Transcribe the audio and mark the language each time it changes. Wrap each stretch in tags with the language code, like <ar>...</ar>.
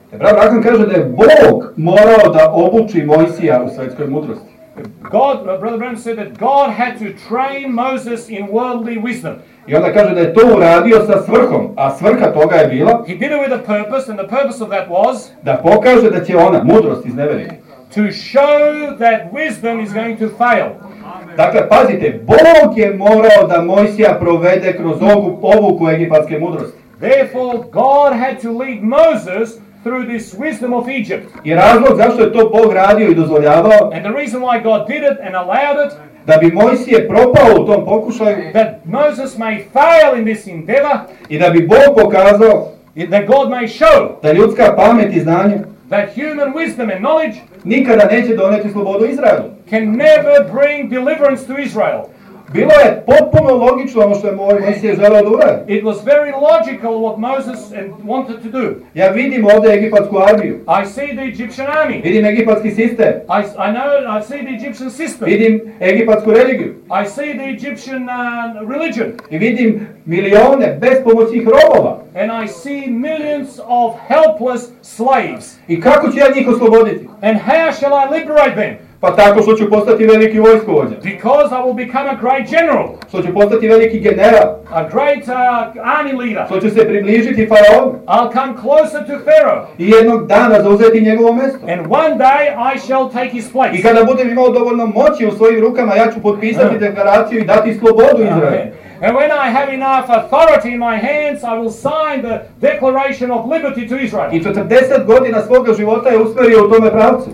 <sr>Brat Brahan kaže da je Bog morao da obuči Mojsija u svetskoj mudrosti.</sr> <en>God, brother Brahan said that God had to train Moses in worldly wisdom.</en> <sr>I onda kaže da je to uradio sa svrhom, a svrha toga je bila</sr> <en>he did it with a purpose, and the purpose of that was</en> <sr>da pokaže da će ona, mudrost iznevjeriti.</sr> <en>To show that wisdom is going to fail.</en> <sr>Dakle, pazite, Bog je morao da Mojsija provede kroz ovu povuku egipatske mudrosti.</sr> <en>Therefore, God had to lead Moses through this wisdom of Egypt.</en> <sr>I razlog zašto je to Bog radio i dozvoljavao.</sr> <en>And the reason why God did it and allowed it.</en> <sr>Da bi Mojsije propao u tom pokušaju.</sr> <en>That Moses may fail in this endeavor.</en> <sr>I da bi Bog pokazao.</sr> <en>That God may show.</en> <sr>Da ljudska pamet i znanje.</sr> <en>That human wisdom and knowledge.</en> <sr>Nikada neće doneti slobodu Izraelu.</sr> <en>Can never bring deliverance to Israel.</en> <sr>Bilo je potpuno logično ono što je Mojsije želeo da uradi.</sr> <en>It was very logical what Moses wanted to do.</en> <sr>Ja vidim ovdje egipatsku armiju.</sr> <en>I see the Egyptian army.</en> <sr>Vidim egipatski sistem.</sr> <en>I see the Egyptian system.</en> <sr>Vidim egipatsku religiju.</sr> <en>I see the Egyptian religion.</en> <sr>I vidim milione bespomoćnih robova.</sr> <en>And I see millions of helpless slaves.</en> <sr>I kako ću ja njih osloboditi?</sr> <en>And how shall I liberate them?</en> <sr>Pa tako što ću postati veliki vojskovođa.</sr> <en>Because I will become a great general.</en> <sr>Što ću postati veliki general.</sr> <en>A great army leader.</en> <sr>Što ću se približiti faraonu.</sr> <en>I'll come closer to Pharaoh.</en> <sr>I jednog dana zauzeti njegovo mjesto.</sr> <en>And one day I shall take his place.</en> <sr>I kada budem imao dovoljno moći u svojim rukama, ja ću potpisati deklaraciju i dati slobodu Izraelu.</sr> <en>And when I have enough authority in my hands, I will sign the declaration of liberty to Israel.</en> <sr>I 40 godina svoga života je usmjerio u tome pravcu.</sr>